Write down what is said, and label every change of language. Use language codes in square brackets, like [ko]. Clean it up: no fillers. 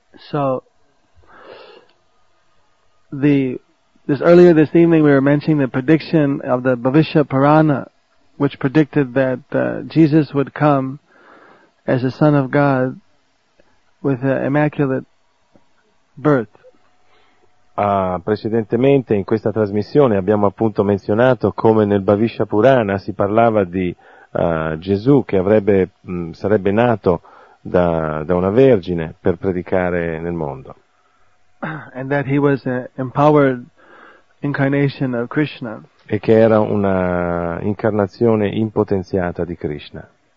[en] So, earlier this evening we were mentioning the prediction of the Bhavishya Purana, which predicted that Jesus would come as the Son of God with an immaculate birth. [it] Precedentemente in questa trasmissione abbiamo appunto menzionato come nel Bhavishya Purana si parlava di Gesù che sarebbe nato da una vergine per predicare nel mondo. [en] And that he was an empowered incarnation of Krishna. [it] E che era una incarnazione impotenziata di Krishna.